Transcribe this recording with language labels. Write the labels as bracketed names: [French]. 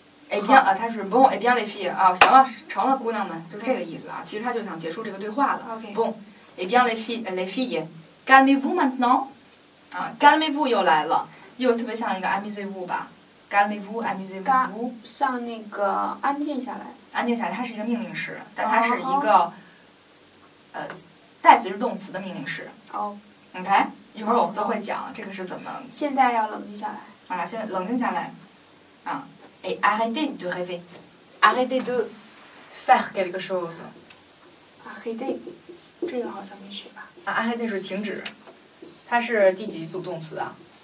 [French] ， et bien [Chinese] 啊，他是 [French] bon et bien les filles [Chinese] 啊，行了，成了姑娘们，就是这个意思啊，其实他就想结束这个对话了 ， [French] bon et bien les filles， calmez-vous maintenant， [Chinese] 啊 ， [French] calmez-vous [Chinese] 又来了，又特别像一个 [French] amusez-vous [Chinese] 吧 ， [French] calmez-vous amusez-vous， [Chinese] 像那个安静下来。安静下来，它是一个命令式，但它是一个， oh. 代词是动词的命令式。哦、oh. ，OK， 一会儿我们都会讲这个是怎么。现在要冷静下来。啊，现在冷静下来，啊，哎 ， [French] arrêtez de rêver， arrêtez de faire quelque chose。 [Chinese] arrêtez， 这个好像没学吧？啊 ，arrêtez 是停止，它是第几组动词啊？